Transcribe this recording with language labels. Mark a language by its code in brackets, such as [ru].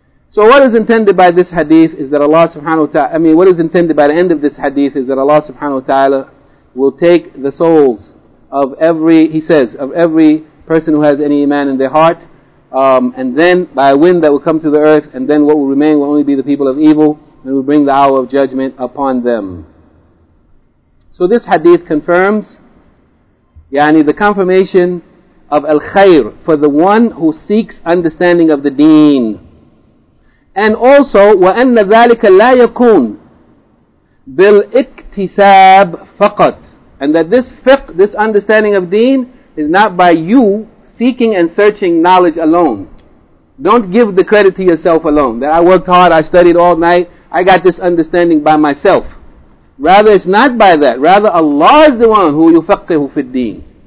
[en] So what is intended by this hadith is that Allah subhanahu wa ta'ala, what is intended by the end of this hadith is that Allah subhanahu wa ta'ala will take the souls of every, He says, of every person who has any iman in their heart, and then by a wind that will come to the earth, and then what will remain will only be the people of evil, and will bring the hour of judgment upon them. So this hadith confirms, yani the confirmation of al-khayr for the one who seeks understanding of the deen. And also, [ar] وَأَنَّ ذَلِكَ لَا يَكُونَ بِالْإِكْتِسَابِ فَقَطْ. [en] And that this fiqh, this understanding of deen, is not by you seeking and searching knowledge alone. Don't give the credit to yourself alone. That I worked hard, I studied all night, I got this understanding by myself. Rather, it's not by that. Rather, Allah is the one who yufaqqihu fi al-deen.